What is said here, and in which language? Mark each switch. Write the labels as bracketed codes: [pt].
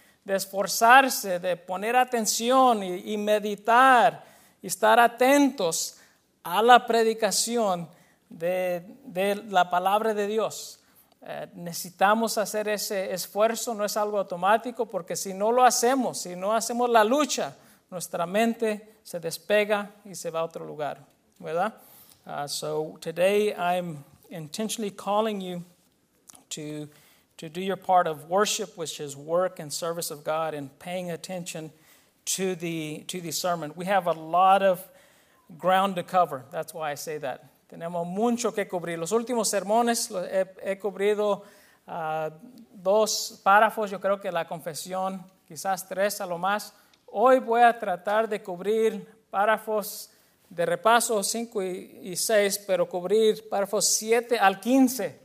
[es] de esforzarse, de poner atención y meditar y estar atentos a la predicación de la palabra de Dios. Necesitamos hacer ese esfuerzo, no es algo automático, porque si no lo hacemos, si no hacemos la lucha, nuestra mente se despega y se va a otro lugar, ¿verdad? [en] So today I'm intentionally calling you to do your part of worship, which is work and service of God, and paying attention to the sermon. We have a lot of ground to cover. That's why I say that. [es] Tenemos mucho que cubrir. Los últimos sermones he cubrido dos párrafos. Yo creo que la confesión, quizás tres a lo más. Hoy voy a tratar de cubrir párrafos de repaso 5 y 6, pero cubrir párrafos 7 al 15.